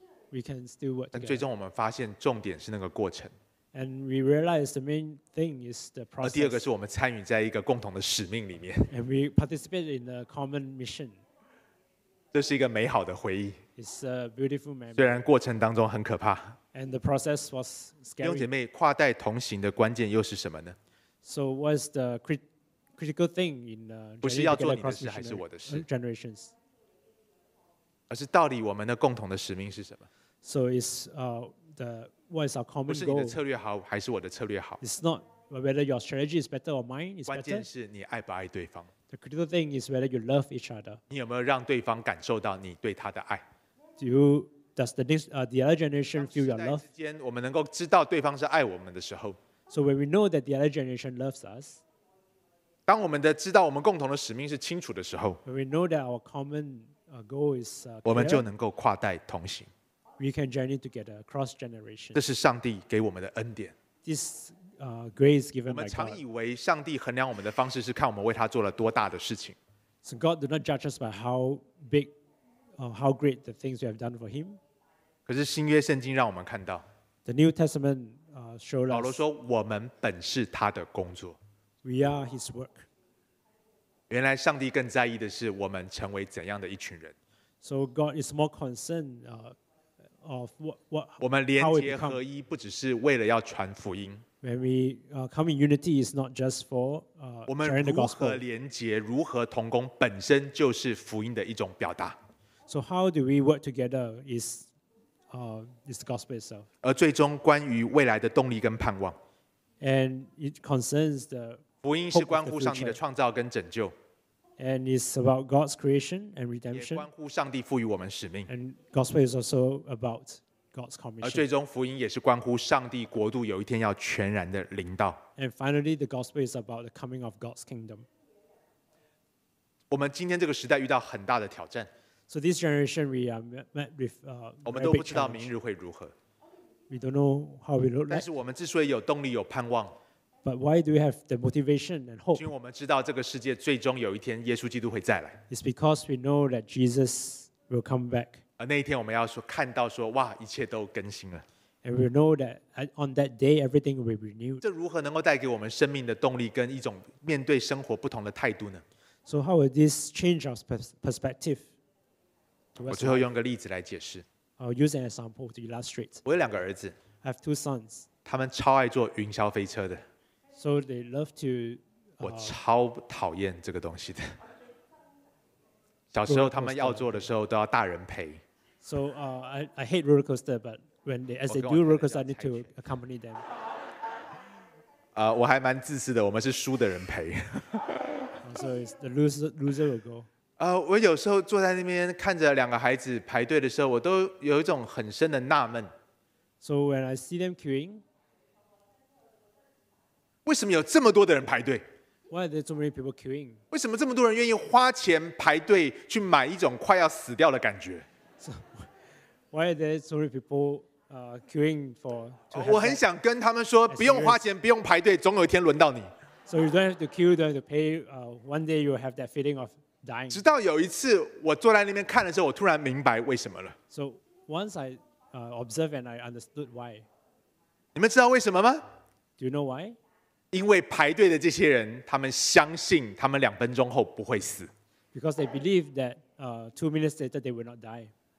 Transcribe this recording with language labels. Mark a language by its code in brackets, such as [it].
[en] We can still work together. [zh] 但最终我们发现重点是那个过程。 [en] And we realize the main thing is the process. [zh] 第二个是我们参与在一个共同的使命里面。 [en] And we participate in a common mission. [zh] 这是一个美好的回忆。 [en] It's a beautiful memory. [zh] 虽然过程当中很可怕。 [en] And the process was scary. [zh] 弟兄姐妹，跨代同行的关键又是什么呢？ [en] So what's the critical thing in the generation? [zh] 不是要做你的事，还是我的事 [en] ？Generations. [zh] 而是到底我们的共同的使命是什么 [en] ？So it's the What is our common goal? [zh] 不是你的策略好，还是我的策略好。 [en] It's not whether your strategy is better or mine is better. [zh] 关键是你爱不爱对方。 [en] The critical thing is whether you love each other. [zh] 你有没有让对方感受到你对他的爱 [en] Does the other generation feel your love? [zh] 之间，我们能够知道对方是爱我们的时候。 [en] So when we know that the other generation loves us. [zh] 当我们的知道我们共同的使命是清楚的时候。 [en] When we know that our common goal is clear. [zh] 我们就能够跨代同行。 [en] We can journey together across generations. [zh] 这是上帝给我们的恩典。 [en] This grace given by God. [zh] 我们常以为上帝衡量我们的方式是看我们为他做了多大的事情。 [en] So God does not judge us by how big, how great the things we have done for Him. [zh] 可是新约圣经让我们看到。 [en] The New Testament shows us. [zh] 保罗说：“我们本是他的工作。” [en] We are His work. [zh] 原来上帝更在意的是我们成为怎样的一群人。 [en] So God is more concerned. Of what, [zh] 我们连结合一不只是为了要传福音。 [en] When we come in unity, it's not just for sharing the gospel. [zh] 我们如何连结、如何同工，本身就是福音的一种表达。 [en] So how do we work together is the gospel itself. [zh] 而最终关于未来的动力跟盼望。 [en] And it concerns the [zh] 福音是关乎上帝的创造跟拯救。 [en] And it's about God's creation and redemption. [zh] 也关乎上帝赋予我们使命。 [en] And gospel is also about God's commission. [zh] 而最终福音也是关乎上帝国度有一天要全然的临到。 [en] And finally, the gospel is about the coming of God's kingdom. [zh] 我们今天这个时代遇到很大的挑战。 [en] So this generation we are met with very big challenge. [zh] 我们都不知道明日会如何。 [en] We don't know how we look like. [zh] 但是我们之所以有动力、有盼望。 [en] But why do we have the motivation and hope? [zh] 因为我们知道这个世界最终有一天耶稣基督会再来。 [en] It's because we know that Jesus will come back. [zh] 而那一天我们要说看到说哇一切都更新了。 [en] And we know that on that day everything will be renewed. [zh] 这如何能够带给我们生命的动力跟一种面对生活不同的态度呢？ [en] So how will this change our perspective? [zh] 我最后用个例子来解释。 [en] I'll use an example to illustrate. [zh] 我有两个儿子。 [en] I have two sons. [zh] 他们超爱坐云霄飞车的。 [en] So they love to. [zh] 我超讨厌这个东西的。小时候他们要坐的时候都要大人陪。 [en] So I hate roller coaster, but when they as they do roller coaster, I need to accompany them. [zh] 我还蛮自私的，我们是输的人陪。 [en] So it's the loser will go. [zh] 我有时候坐在那边看着两个孩子排队的时候，我都有一种很深的纳闷。 [en] So when I see them queuing, [zh] 为什么有这么多的人排队？ [en] Why are there so many people queuing? [zh] 为什么这么多人愿意花钱排队去买一种快要死掉的感觉？ [en] So, why are there so many people? Queuing for, [zh] 我很想跟他们说，不用花钱，不用排队，总有一天轮到你。 [en] So you don't have to queue, don't have to pay. One day you'll have that feeling of dying. [zh] 直到有一次我坐在那边看的时候，我突然明白为什么了。 [en] So once I observe and I understood why. [zh] 你们知道为什么吗 [en] ？Do you know why? [zh] 因为排队的这些人，他们相信他们两分钟后不会死。 [en] Because they believe that two minutes later they will not die.